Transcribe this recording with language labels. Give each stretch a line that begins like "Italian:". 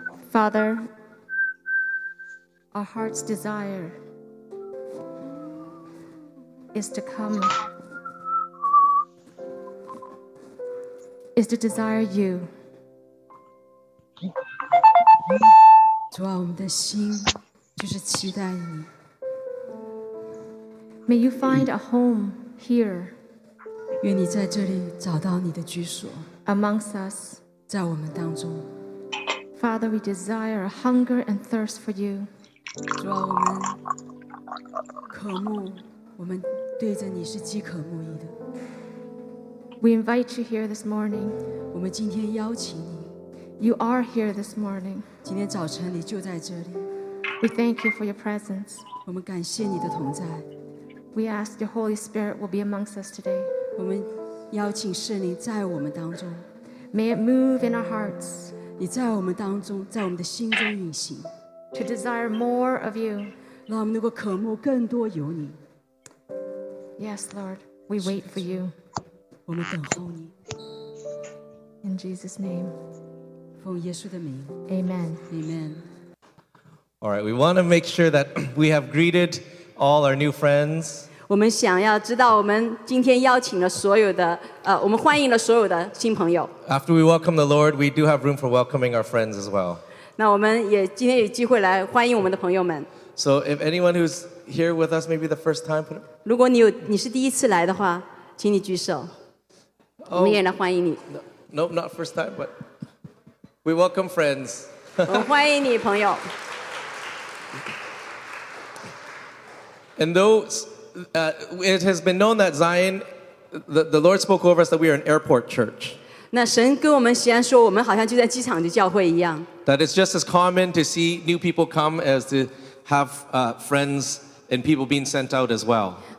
English: Father, our heart's desire is to desire you.
Chinese: 主啊, 我们的心就是期待你。
English: May you find a home here.
Chinese: 愿你在这里找到你的居所。
English: Amongst us.
Chinese: 在我们当中。
English: Father, we desire a hunger and thirst for you.
Chinese: 主啊, 我们渴慕, 我们对着你是饥渴慕义的。
English: We invite you here this morning.
Chinese: 我们今天邀请你。
English: You are here this morning.
Chinese: 今天早晨你就在这里。
English: We thank you for your presence.
Chinese: 我们感谢你的同在。
English: We ask your Holy Spirit will be amongst us today.
Chinese: 我们邀请圣灵在我们当中。
English: May it move in our hearts.
Chinese: 你在我们当中, 在我们的心中运行。
English: To desire more of you.
Chinese: 让我们能够渴慕更多有你。
English: Yes, Lord, we wait for you.
Chinese: 我们等候你。
English: In Jesus' name.
Chinese: 奉耶稣的名。
English: Amen. Amen. All right, we want to make sure that we have greeted all our new friends.
Chinese: 我们想要知道我们今天邀请了所有的, 我们欢迎了所有的新朋友。
English: After we welcome the Lord, we do have room for welcoming our friends as well.
Chinese: 那我们也今天有机会来欢迎我们的朋友们。
English: So if anyone who's here with us maybe the first time, put it...
Chinese: 如果你是第一次来的话, 请你举手。 Oh, 我们也来欢迎你。
English: No, nope, not first time, but... We welcome friends.
Chinese: 我欢迎你朋友。
English: And though it has been known that Zion, the Lord spoke over us that we are an airport church.
Chinese: 那神跟我们西安说，我们好像就在机场的教会一样。
English: That it's just as common to see new people come as to have friends and people being sent out as well.